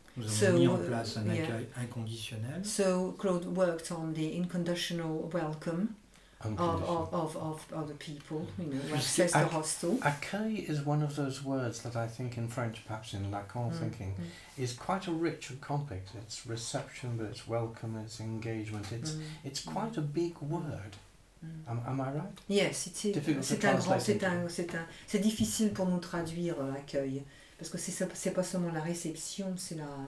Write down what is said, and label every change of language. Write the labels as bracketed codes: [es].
[fr] Nous avons mis en place un accueil inconditionnel. [en] So Claude worked on the unconditional welcome of the people, you know, access the hostel. Accueil is one of those words that I think in French, perhaps in Lacan, mm-hmm, thinking, mm-hmm, is quite a rich and complex. It's reception, but it's welcome, it's engagement. It's, mm-hmm, it's quite a big word. Mm-hmm. Am I right? [fr] Yes, c'est difficile pour nous traduire accueil, parce que c'est pas seulement la réception, c'est la.